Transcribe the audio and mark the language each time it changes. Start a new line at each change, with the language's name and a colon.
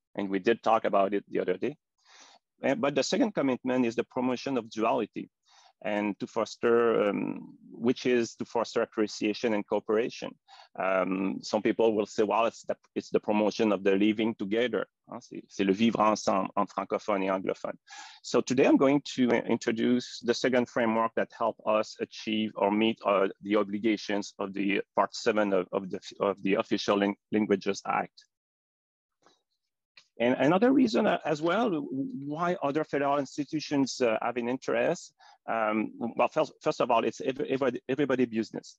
English: And we did talk about it the other day. But the second commitment is the promotion of duality, and to foster, which is to foster appreciation and cooperation. Some people will say, well, it's the promotion of the living together.
French: C'est le vivre ensemble en francophone et anglophone.
English: So today I'm going to introduce the second framework that help us achieve or meet the obligations of the Part 7 of the Official Languages Act. And another reason as well, why other federal institutions have an interest, first of all, it's everybody business.